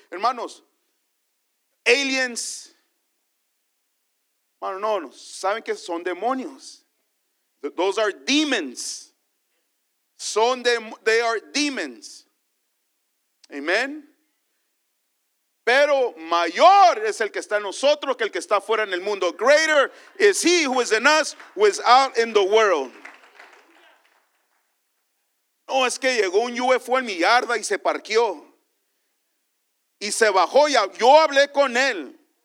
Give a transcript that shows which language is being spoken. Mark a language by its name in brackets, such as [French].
[Spanish] Hermanos, aliens. Hermano, no, saben que son demonios. [English] Those are demons. They are demons. Amen. [Spanish] Pero mayor es el que está en nosotros que el que está fuera en el mundo. [English] Greater is he who is in us who is out in the world. [Spanish] No es que llegó un UFO en mi yarda y se parqueó. Y se bajó y yo hablé con él.